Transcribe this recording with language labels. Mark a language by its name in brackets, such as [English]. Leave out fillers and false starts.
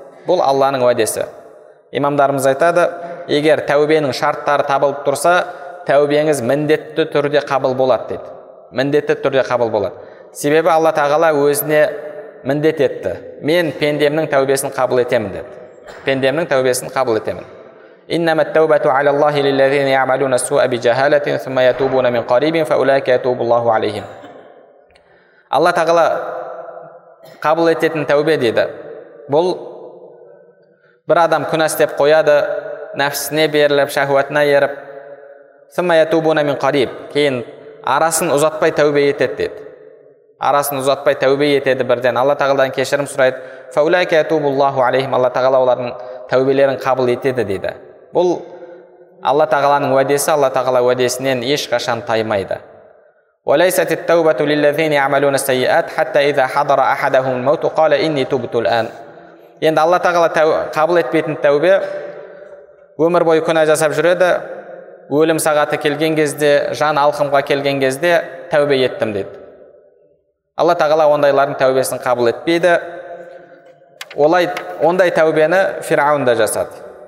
[Kazakh] Бұл Алланың уәдесі. Имамдарымыз айтады, егер тәубенің шарттары табылып тұрса, тәубеңіз міндетті түрде қабыл болады дейді. Міндетті түрде қабыл болады. Себебі Алла Тағала өзіне міндет етті. Мен пендемнің тәубесін қабыл етемін деді. Пендемнің тәубесін қабыл етемін. [Arabic] إنما التوبة على الله للذين يعملون السوء بجهالة ثم يتوبون من قريب فأولئك يتوب الله عليهم. [Kazakh] Алла Тағала қабыл ететін тәубе дейді. Бұл бір адам күнә істеп қояды, нәпсісіне беріліп, шахуатына еріп, [Arabic] ثم يتوبون من قريب. [Kazakh] Кейін арасын ұзатпай тәубе етеді дейді. Арасын ұзатпай тәубе етеді бірден. Алла Тағаладан кешірім сұрайды. [Arabic] فأولئك يتوب الله عليهم. [Kazakh] Алла Тағала олардың тәубелерін қабыл етеді дейді. Бұл Алла Тағаланың уәдесі, Алла Тағала уәдесінен ешқашан таймайды. [Arabic] وليست التوبه للذين يعملون السيئات حتى اذا حضر احدهم الموت قال اني تبت الان. [Kazakh] Енді Алла Тағала қабыл етпейтін тәубе өмір бойы күнә жасап жүреді, өлім сағаты келген кезде, жан алқымға келген кезде тәубе еттім деді. Алла Тағала ондайлардың тәубесін қабыл етпейді. Олай ондай тәубені Фирауын да жасады.